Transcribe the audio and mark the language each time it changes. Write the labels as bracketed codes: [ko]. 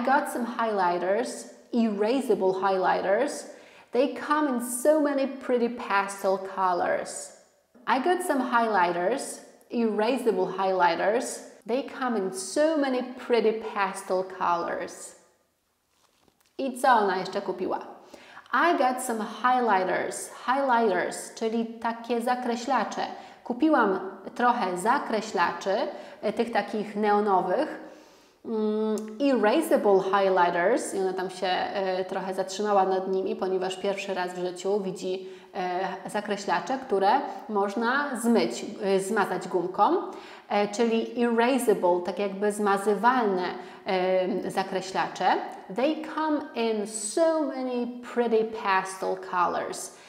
[en] I got some highlighters, erasable highlighters. They come in so many pretty pastel colors. I got some highlighters, erasable highlighters. They come in so many pretty pastel colors. [pl] I co ona jeszcze kupiła? [en] I got some highlighters. [pl] Highlighters, czyli takie zakreślacze. Kupiłam trochę zakreślaczy, tych takich neonowych. Erasable highlighters, i ona tam się trochę zatrzymała nad nimi, ponieważ pierwszy raz w życiu widzi zakreślacze, które można zmyć, zmazać gumką, czyli erasable, tak jakby zmazywalne zakreślacze. [en] They come in so many pretty pastel colors.